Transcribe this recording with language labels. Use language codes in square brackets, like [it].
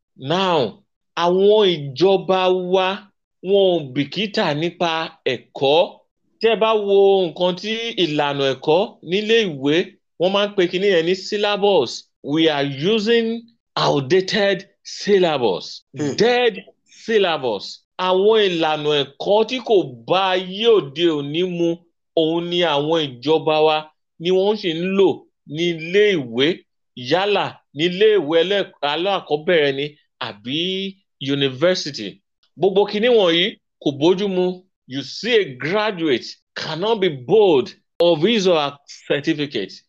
[yo] Now, àwọn ìjọba wa wọn ò bìkítà nípa ẹ̀kọ́ tẹ bá wo nǹkan tí ìlànà ẹ̀kọ́ nílé ìwé wọ́n máa ń pe kinní yẹn ní syllabus. [en] We are using outdated syllabus. Dead syllabus. [yo] Àwọn ìlànà ẹ̀kọ́ tí kò bá ayé òde òní mu òun ni àwọn ìjọba wa ni wọ́n sì ń lò ní ilé ìwé yálà ní ilé ìwé alákọ̀ọ́bẹ̀rẹ̀ ni àbí university. Gbogbo kinní wọ̀nyí kò bójú mu. [en] You see a graduate cannot be bold of his or her certificate.